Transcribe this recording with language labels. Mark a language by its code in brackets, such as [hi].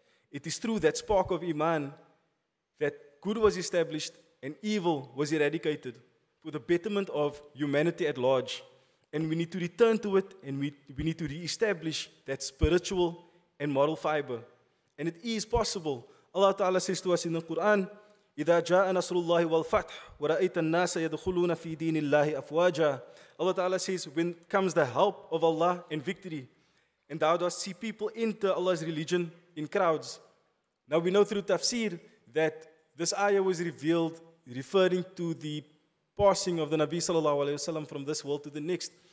[en] It is through that spark of iman that good was established and evil was eradicated for the betterment of humanity at large. And we need to return to it and we need to reestablish that spiritual and moral fiber. And it is possible. Allah Ta'ala says to us in the Quran, [ar] إِذَا جَاءَ نَصْرُ اللَّهِ وَالْفَتْحِ وَرَأَيْتَ النَّاسَ يَدْخُلُونَ فِي دِينِ اللَّهِ أَفْوَاجًا. [en] Allah Ta'ala says, when comes the help of Allah and victory, and thou dost see people enter Allah's religion in crowds. Now we know through tafsir that this ayah was revealed referring to the passing of the Nabi Sallallahu Alaihi Wasallam from this world to the next.